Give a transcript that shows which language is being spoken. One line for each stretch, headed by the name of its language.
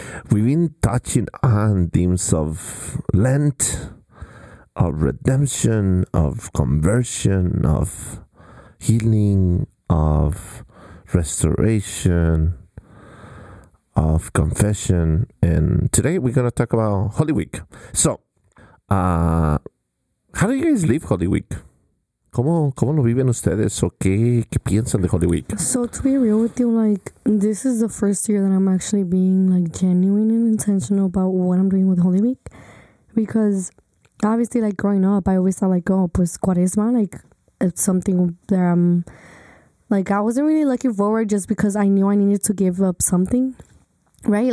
English: We've been touching on themes of Lent, of redemption, of conversion, of healing, of restoration, of confession. And today we're going to talk about Holy Week. So, how do you guys live Holy Week?
Spanish: ¿Cómo lo viven ustedes o qué piensan de Holy Week?
English: So to be real with you, like, this is the first year that I'm actually being like genuine and intentional about what I'm doing with Holy Week. Because obviously, like, growing up, I always thought like, oh, pues Cuaresma, like, it's something that I'm like, I wasn't really looking forward just because I knew I needed to give up something. Right?